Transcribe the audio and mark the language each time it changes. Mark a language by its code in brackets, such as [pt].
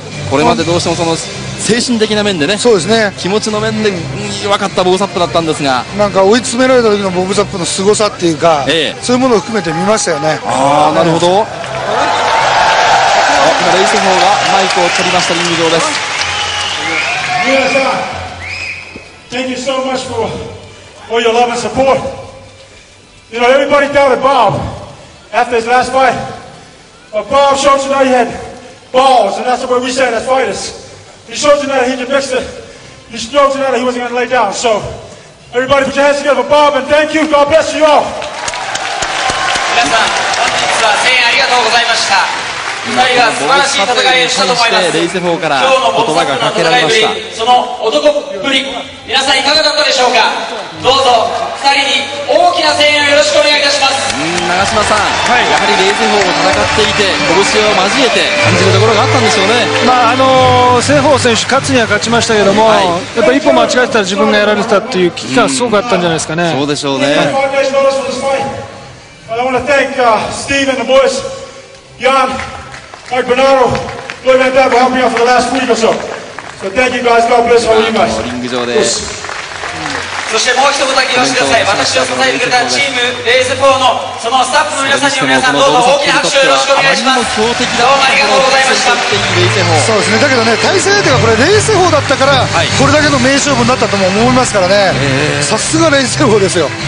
[ja] これまでどうしてもその精神的な面でね、そうですね、気持ちの面で弱かったボブサップだったんですが、なんか追い詰められた時のボブサップの凄さっていうか、そういうものを含めて見ましたよね。ああなるほど。今レイゼフォーがマイクを取りました。リング上です。皆さん [en] Thank you so much for all your love and support. You know everybody doubted Bob after his last fight, but Bob showed tonight he had balls, and that's what we said as fighters. He showed tonight that he could mix it. He showed tonight that he wasn't going to lay down. So everybody put your hands together for Bob and thank you. God bless you all. [ja] 皆さん本日は声援ありがとうございました。ボブサップに対してレイゼフォーから言葉がかけられました。その男っぷり皆さんいかがだったでしょうか。どうぞ2人に大きな声援をよろしくお願いいたします。長嶋さん、はい、やはりレイゼフォーも戦っていて拳を交えて感じるところがあったんでしょうね。まあセイフォー選手勝つには勝ちましたけども、はい、やっぱり一歩間違えたら自分がやられたっていう危機感すごくあったんじゃないですかね。そうでしょうね。 [en] I want to thank Steve and the boys, YanMike Bernardo, Louis Van Damme helped me out for the last week or so. So thank you guys, God bless all of you guys. [ja] そしてもう一言だけ言わせてください。私を支えてくれたチームレイゼフォーのそのスタッフの皆さんにも皆さんどうぞ大きな拍手をよろしくお願いします。強敵だ。どうもありがとうございました。そうですね。だけどね、対戦相手がこれレイゼフォーだったから、はい、これだけの名勝負になったとも思いますからね。さすがレイゼフォーですよ。